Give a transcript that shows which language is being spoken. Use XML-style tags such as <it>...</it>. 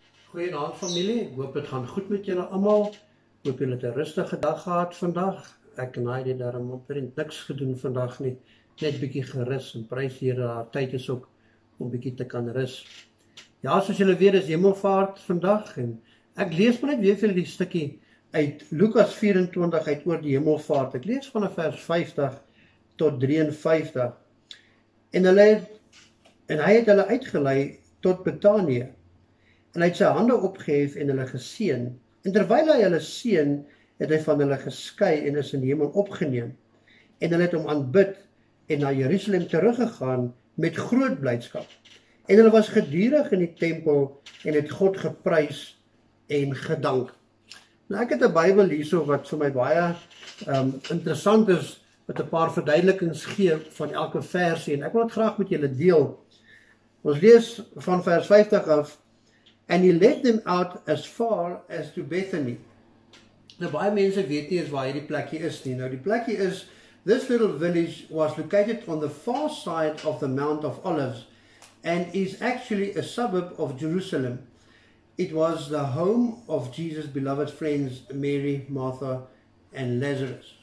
<af>Goeienaand familie, hoop het gaan goed met julle allemaal. Hoop julle het 'n rustige dag gehad vandag. Ek en Heidi daarom omtrent niks gedoen vandag nie. Net bietjie gerus en prys die Here, haar tyd is ook om bietjie te kan rus. Ja, soos julle weet is Hemelvaart vandag en ek lees maar net weer vir die stukkie uit Lukas 24 uit oor die Hemelvaart. Ek lees vanaf vers 50 tot 53. En hy het hulle uitgelei tot Betanië. En hy het sy hande opgehef en hulle geseën. En terwyl hy hulle seën, het hy van hulle geskei en is in die hemel opgeneem. En hulle het hom aanbid en na Jerusalem teruggegaan met groot blydskap. En hulle was gedurig in die tempel en het God geprys en gedank. Nou ek het 'n Bybel hierso wat vir my baie interessant is, met 'n paar verduidelikings gee van elke versie en ek wil dit graag met julle deel. Ons lees van vers 50 af.</af> <en>And he led them out as far as to Bethany.</en> <af>Nou baie mense weet nie eens waar hierdie plekkie is nie. Nou die plekkie is,</af> <en>this little village was located on the far side of the Mount of Olives and is actually a suburb of Jerusalem. It was the home of Jesus' beloved friends Mary, Martha and Lazarus.</en>